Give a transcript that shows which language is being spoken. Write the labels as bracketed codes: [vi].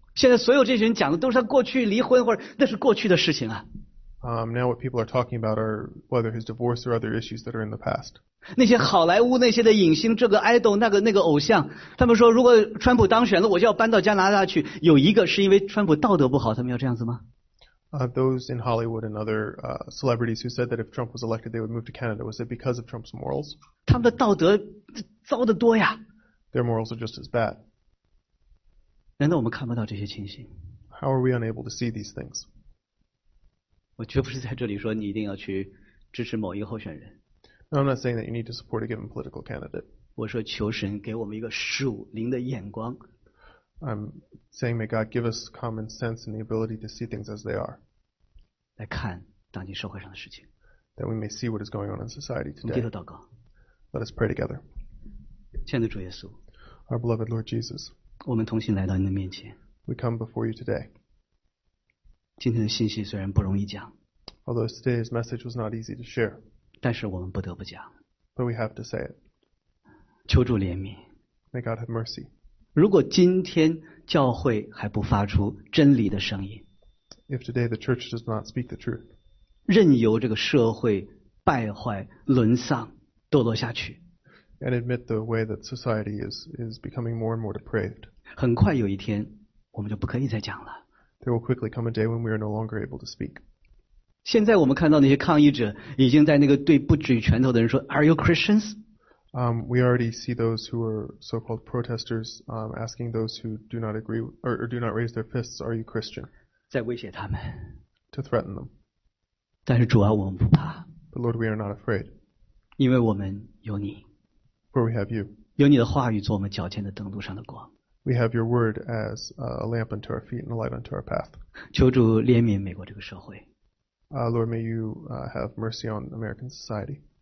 [zh] 现在所有这些人讲的都是他过去离婚或者那是过去的事情啊。 [en] Now what people are talking about are whether his divorce or other issues that are in the past. [zh] 那些好莱坞那些的影星，这个 idol 那个偶像，他们说如果川普当选了，我就要搬到加拿大去。有一个是因为川普道德不好，他们要这样子吗？ [en] Those in Hollywood and other celebrities who said that if Trump was elected they would move to Canada, was it because of Trump's morals? [zh] 他们的道德糟得多呀。 [en] Their morals are just as bad. [zh] 难道我们看不到这些情形？ [en] How are we unable to see these things? [zh] 我绝不是在这里说你一定要去支持某一个候选人。 [en] No, I'm not saying that you need to support a given political candidate. [zh] 我说求神给我们一个属灵的眼光。 [en] I'm saying may God give us common sense and the ability to see things as they are. [zh] 来看当今社会上的事情。 [en] That we may see what is going on in society today. [zh] 我们低头祷告。 [en] Let us pray together. [zh] 亲爱的主耶稣。 [en] Our beloved Lord Jesus. [zh] 我们同心来到你的面前。 [en] We come before you today. [zh] 今天的信息虽然不容易讲。 [en] Although today's message was not easy to share. [zh] 但是我们不得不讲。 [en] But we have to say it. [zh] 求主怜悯。 [en] May God have mercy. [zh] 如果今天教会还不发出真理的声音。 [en] If today the church does not speak the truth. [zh] 任由这个社会败坏、沦丧、堕落下去。 [en] And admit the way that society is becoming more and more depraved. [zh] 很快有一天，我们就不可以再讲了。 [en] There will quickly come a day when we are no longer able to speak. [zh] 现在我们看到那些抗议者已经在那个对不举拳头的人说 ， [en] Are you Christians? We already see those who are so-called protesters asking those who do not agree or do not raise their fists, Are you Christian? [zh] 在威胁他们。 [en] To threaten them. [zh] 但是主啊，我们不怕。 [en] But Lord, we are not afraid. [zh] 因为我们有你。 [en] Where we have you. [zh] 有你的话语做我们脚前的灯路上的光。 [en] We have your word as a lamp unto our feet and a light unto our path. [zh] 求主怜悯美国这个社会。 [en] Lord, may you have mercy on American society.